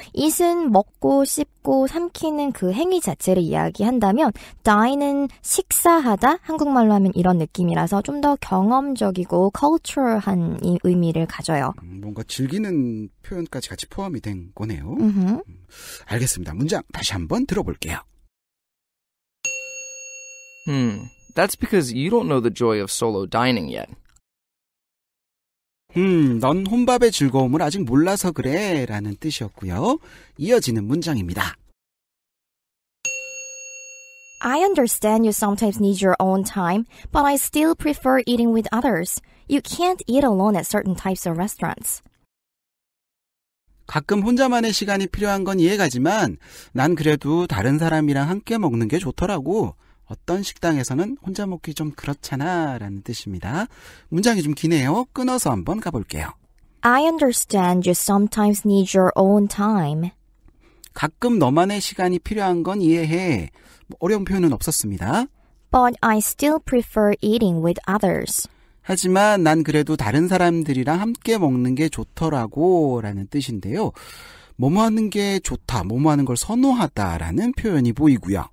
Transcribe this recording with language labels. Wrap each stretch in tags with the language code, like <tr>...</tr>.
<ko>eat은 먹고 씹고 삼키는 그 행위 자체를 이야기한다면 dine은 식사하다 한국말로 하면 이런 느낌이라서 좀 더 경험적이고 cultural한 의미를 가져요. 뭔가 즐기는 표현까지 같이 포함이 된 거네요. Uh-huh. 알겠습니다. 문장 다시 한번 들어볼게요.</ko> <en>That's because you don't know the joy of solo dining yet.</en> <ko>넌 혼밥의 즐거움을 아직 몰라서 그래 라는 뜻이었고요. 이어지는 문장입니다.</ko> <en>I understand you sometimes need your own time, but I still prefer eating with others. You can't eat alone at certain types of restaurants.</en> <ko>가끔 혼자만의 시간이 필요한 건 이해가지만 난 그래도 다른 사람이랑 함께 먹는 게 좋더라고. 어떤 식당에서는 혼자 먹기 좀 그렇잖아 라는 뜻입니다. 문장이 좀 기네요. 끊어서 한번 가볼게요.</ko> <en>I understand you sometimes need your own time.</en> <ko>가끔 너만의 시간이 필요한 건 이해해. 어려운 표현은 없었습니다.</ko> <en>But I still prefer eating with others.</en> <ko>하지만 난 그래도 다른 사람들이랑 함께 먹는 게 좋더라고 라는 뜻인데요. 뭐뭐 하는 게 좋다, 뭐뭐 하는 걸 선호하다라는 표현이 보이고요.</ko>